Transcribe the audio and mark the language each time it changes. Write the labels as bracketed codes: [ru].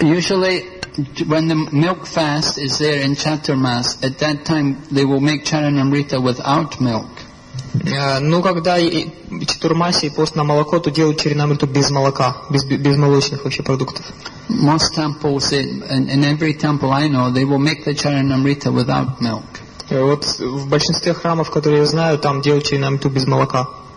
[en] Usually, when the milk fast is there in Chaturmas, at that time they will make charanamrita without milk. [ru] Ну когда Чатурмаси пост на молоко, то делают чаринамриту без молока, без молочных вообще продуктов. [en] Most temples, in every temple I know, they will make the charanamrita without milk. [ru] Вот в большинстве храмов, которые я знаю, там делают чаринамриту без молока.